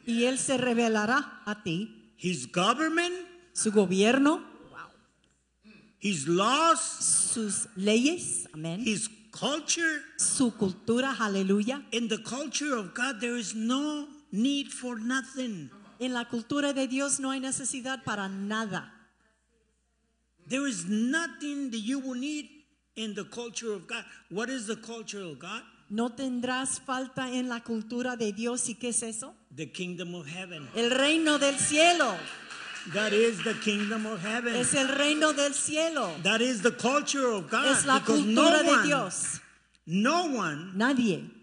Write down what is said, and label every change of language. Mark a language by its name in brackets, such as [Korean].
[Spanish] Y él se revelará a ti. [English] His government. [Spanish] Su gobierno. [English] Wow. His laws. [Spanish] Sus leyes. Amen. [English] His culture. [Spanish] Su cultura. Hallelujah. [English] In the culture of God, there is no need for nothing. [Spanish] En la cultura de Dios no hay necesidad para nada. [English] There is nothing that you will need. In the culture of God, what is the culture of God? [Spanish] No tendrás falta en la cultura de Dios. ¿Y qué es eso? [English] The kingdom of heaven. [Spanish] El reino del cielo. [English] That is the kingdom of heaven. [Spanish] Es el reino del cielo. [English] That is the culture of God. [Spanish] Es la cultura de Dios. [English] No one. [Spanish] Nadie.